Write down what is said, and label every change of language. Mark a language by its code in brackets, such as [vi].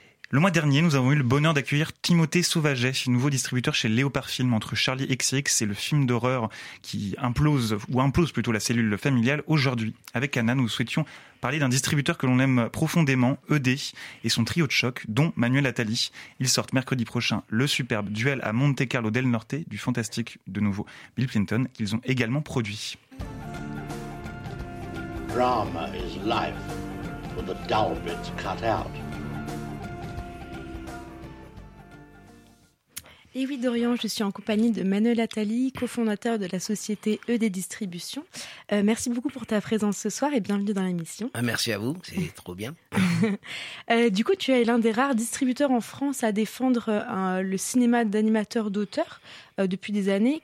[fr] Le mois dernier, nous avons eu le bonheur d'accueillir Timothée Sauvaget, nouveau distributeur chez Léopard Film, entre Charlie XCX et le film d'horreur qui implose, ou implose plutôt la cellule familiale. Aujourd'hui, avec Anna, nous souhaitions parler d'un distributeur que l'on aime profondément, ED, et son trio de choc, dont Manuel Attali. Ils sortent mercredi prochain le superbe duel à Monte Carlo del Norte du fantastique, de nouveau, Bill Clinton, qu'ils ont également produit. [en] Drama is life with the dull bits cut out. [fr] Et oui Dorian, je suis en compagnie de Manuel Attali, cofondateur de la société ED Distribution. Merci beaucoup pour ta présence ce soir et bienvenue dans l'émission. Merci à vous, c'est trop bien. Du coup, tu es l'un des rares distributeurs en France à défendre le cinéma d'animateurs d'auteurs depuis des années.